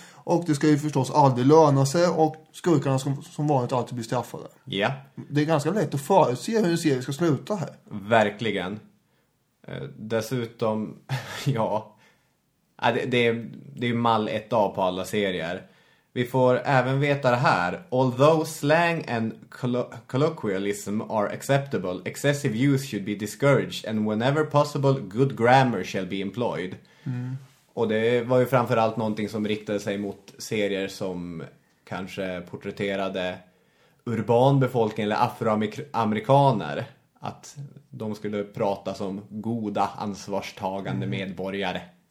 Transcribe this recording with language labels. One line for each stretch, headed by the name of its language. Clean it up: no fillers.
Swedish: Och det ska ju förstås aldrig löna sig, och skurkarna ska som vanligt alltid bli straffade. Ja. Yeah. Det är ganska lätt att förutse hur en serie ska sluta här. Verkligen. Dessutom, ja... Det är ju mall 1A på alla serier. Vi får även veta det här.
English: Although slang and colloquialism are acceptable, excessive use should be discouraged and whenever possible good grammar shall be employed. Mm.
Swedish: Och det var ju framförallt någonting som riktade sig mot serier som kanske porträtterade urban befolkning eller afroamerikaner. Att de skulle prata som goda, ansvarstagande medborgare.